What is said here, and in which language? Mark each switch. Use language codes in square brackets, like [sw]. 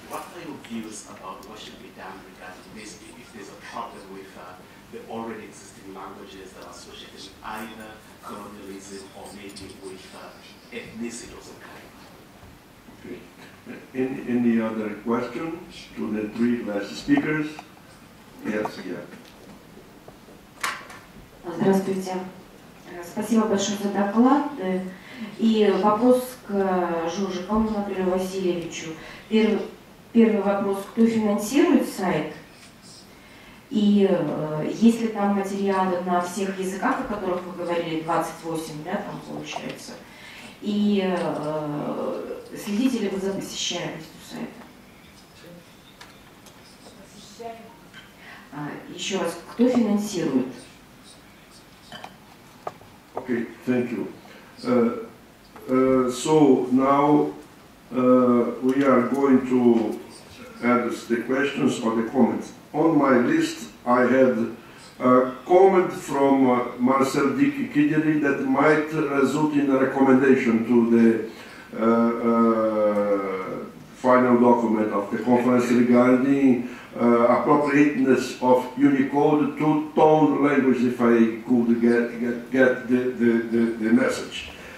[en] What are your views about what should be done regarding this, if there's a problem with the already existing languages that are associated with either colonialism or maybe with ethnicity of some kind? Okay. Any other questions to the three last speakers? Yes, yeah. [ru] Здравствуйте. Спасибо большое за доклад. И вопрос к Жужикову, например, Васильевичу. Первый вопрос, кто финансирует сайт? И есть ли там материалы на всех языках, о которых вы говорили, 28, да, там получается? И следите ли вы за посещаемостью сайта? Еще раз, кто финансирует? [en] Okay, thank you. So now we are going to address the questions or the comments. On my list, I had a comment from Marcel Dickey-Kidderi that might result in a recommendation to the final document of the conference regarding appropriateness of Unicode to tone language, if I could get the message.